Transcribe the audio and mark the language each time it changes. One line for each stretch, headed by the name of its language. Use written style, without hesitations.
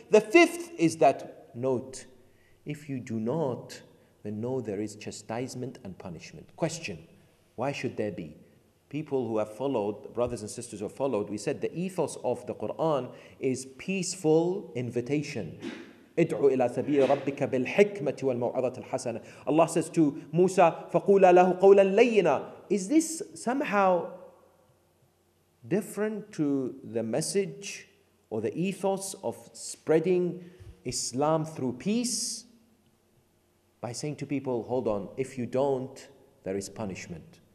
English: The fifth is that, note, if you do not, then know there is chastisement and punishment. Question, why should there be? People who have followed, brothers and sisters who have followed, we said the ethos of the Qur'an is peaceful invitation.
Arabic: ادعو إلى سبيل ربك بالحكمة والموعظة الحسنة.
English: Allah says to Musa,
Arabic: فقولا له قولا لينا.
English: Is this somehow different to the message or the ethos of spreading Islam through peace? By saying to people, hold on, if you don't, there is punishment.